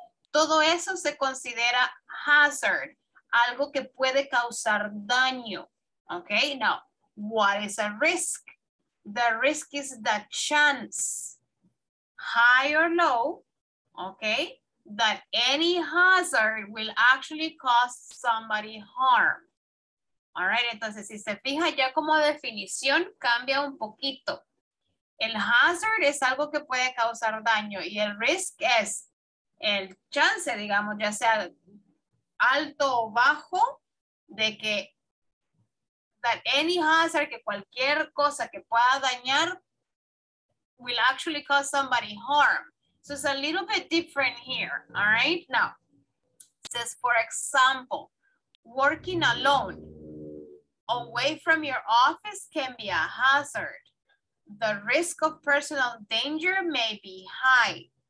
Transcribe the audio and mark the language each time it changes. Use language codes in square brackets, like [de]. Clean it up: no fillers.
[es] Todo eso se considera hazard, algo que puede causar daño. [en] Okay, now, what is a risk? The risk is the chance, high or low, okay, that any hazard will actually cause somebody harm. [es] All right, entonces si se fija ya como definición cambia un poquito. El hazard es algo que puede causar daño y el risk es el chance, digamos, ya sea alto o bajo de que [en] that any hazard, [es] que cualquier cosa que pueda dañar [en] will actually cause somebody harm. So it's a little bit different here, all right? Now, says for example, working alone away from your office can be a hazard. The risk of personal danger may be high.